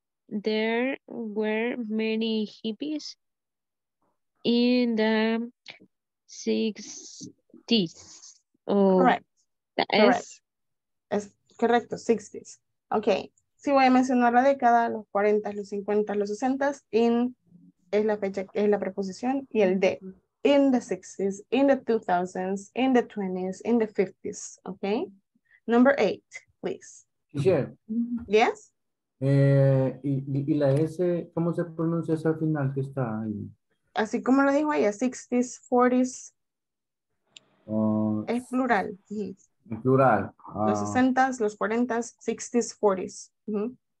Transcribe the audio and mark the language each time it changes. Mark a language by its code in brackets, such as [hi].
[en] There were many hippies in the 60s. [es] Correcto, 60s. Ok, si voy a mencionar la década, los 40, los 50, los 60, in es la fecha, es la preposición, y el de. [en] In the 60s, in the 2000s, in the 20s, in the 50s. Ok, number 8, please. [es] Sí. [en] Yes. [es] Y la S, ¿cómo se pronuncia esa al final que está ahí? Así como lo dijo ella, 60s, 40s. Es plural. Es plural. Los 60s, los 40s, 60s, 40s.